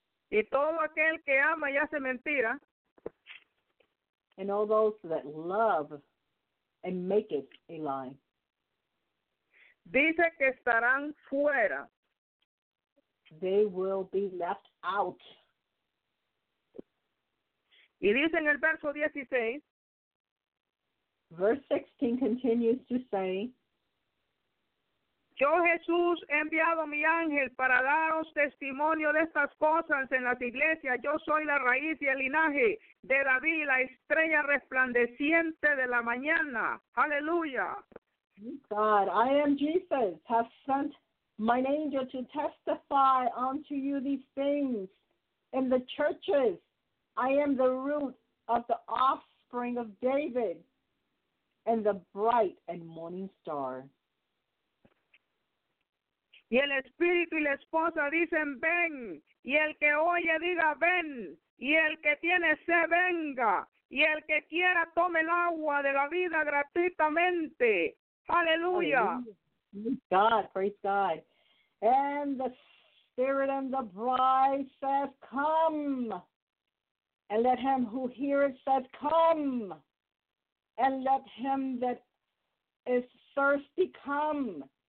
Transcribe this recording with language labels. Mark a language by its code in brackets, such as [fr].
[es] Y todo aquel que ama y hace mentira. [en] And all those that love and make it a lie. [es] Dice que estarán fuera. [en] They will be left out. [es] Y dice en el verso 16. [en] Verse 16 continues to say. [es] Yo, Jesús, he enviado a mi ángel para daros testimonio de estas cosas en las iglesias. Yo soy la raíz y el linaje de David, la estrella resplandeciente de la mañana. Aleluya. [en] God, I am Jesus, have sent mine angel to testify unto you these things in the churches. I am the root of the offspring of David and the bright and morning star. [es] Y el espíritu y la esposa dicen ven, y el que oye diga ven, y el que tiene sed venga, y el que quiera tome el agua de la vida gratuitamente. Aleluya. [en] God, praise God. And the spirit and the bride says come, and let him who heareth says come, and let him that is thirsty come.